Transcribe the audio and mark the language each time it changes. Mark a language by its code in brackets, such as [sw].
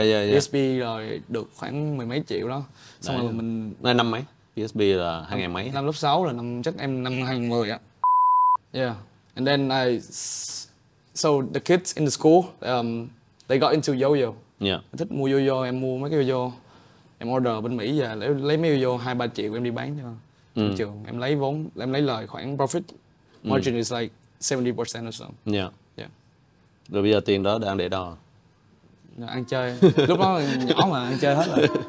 [vi] PSP rồi được khoảng 10 mấy triệu đó. Xong rồi mình nay năm mấy? PSP là 2000 mấy? Năm lớp 6 là năm chắc em năm 2010 á. [en] And then so the kids in the school they got into yo-yo. Yeah. [vi] Em thích mua yo-yo, em mua mấy cái yo-yo. Em order bên Mỹ và lấy mấy yo-yo 2-3 triệu em đi bán cho trường. Em lấy vốn, em lấy lời khoảng profit. [en] Margin is like 70% or so. [vi] Rồi bây giờ tiền đó đang để đâu? Ăn chơi, lúc đó nhỏ mà ăn chơi hết rồi.